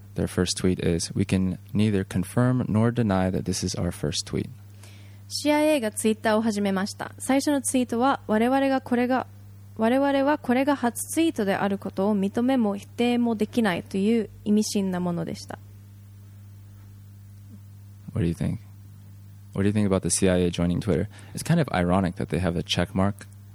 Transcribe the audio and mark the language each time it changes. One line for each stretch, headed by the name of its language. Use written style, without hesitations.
English: Their first tweet is, "We can neither confirm nor deny that this is our first tweet."
Japanese: CIA がツイッターを始めました。最初のツイートは、我々はこれが初ツイートであることを認めも否定もできないという意味深なものでした。
English: What do you think? What do you think about the CIA joining Twitter? It's kind of ironic that they have a check mark.